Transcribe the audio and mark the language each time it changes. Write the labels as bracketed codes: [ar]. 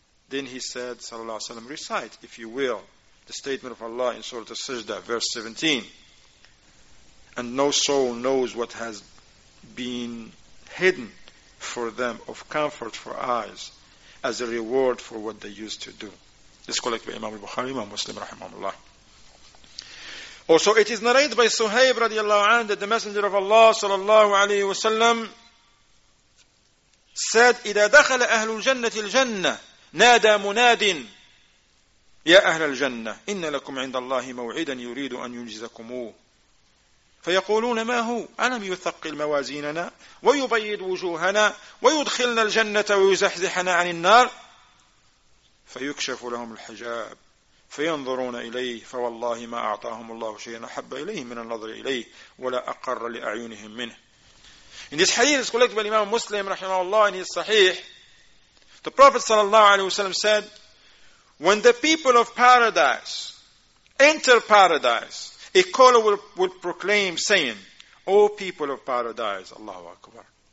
[en] Then he said, sallallahu alayhi wa sallam, recite, if you will, the statement of Allah in Surah Al-Sajdah, verse 17. And no soul knows what has been hidden for them of comfort for eyes as a reward for what they used to do. This is collected by Imam al-Bukhari, Imam Muslim, rahimahullah. Also, it is narrated by Suhayb, radiallahu anhu, that the Messenger of Allah, sallallahu alayhi wa sallam, [ar] said, إِذَا دَخَلَ أَهْلُ الْجَنَّةِ الْجَنَّةِ نادى مناد يا أهل الجنة إن لكم عند الله موعدا يريد أن ينجزكموه فيقولون ما هو ألم يثقل موازيننا ويبيض وجوهنا ويدخلنا الجنة ويزحزحنا عن النار فيكشف لهم الحجاب فينظرون إليه فوالله ما أعطاهم الله شيئا أحب إليه من النظر إليه ولا أقر لأعينهم منه. [en] In this hadith collected by Imam Muslim [ar] رحمه الله [en] in his Sahih, the Prophet sallallahu alaihi wasallam said, when the people of paradise enter paradise, a caller will proclaim saying, O people of paradise, Allahu Akbar.